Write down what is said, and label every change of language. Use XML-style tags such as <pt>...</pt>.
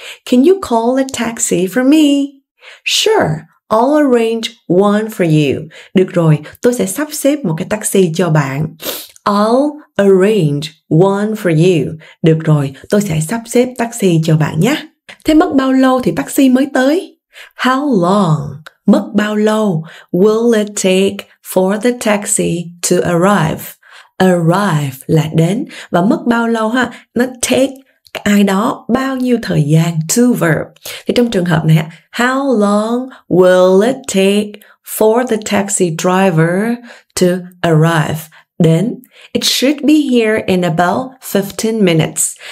<en>Can you call a taxi for me? Sure, I'll arrange one for you.</en> <vi>Được rồi, tôi sẽ sắp xếp một cái taxi cho bạn.</vi> <en>I'll arrange one for you.</en> <vi>Được rồi, tôi sẽ sắp xếp taxi cho bạn nhé. Thế mất bao lâu thì taxi mới tới?</vi> <en>How long?</en> <vi>Mất bao lâu?</vi> <en>Will it take for the taxi to arrive?</en> <vi>Arrive là đến. Và mất bao lâu ha? Nó take ai đó bao nhiêu thời gian?</vi> <en>To verb.</en> <vi>Thì trong trường hợp này,</vi> <en>how long will it take for the taxi driver to arrive?</en> <vi>Đến.</vi> <en>It should be here in about 15 minutes.</en>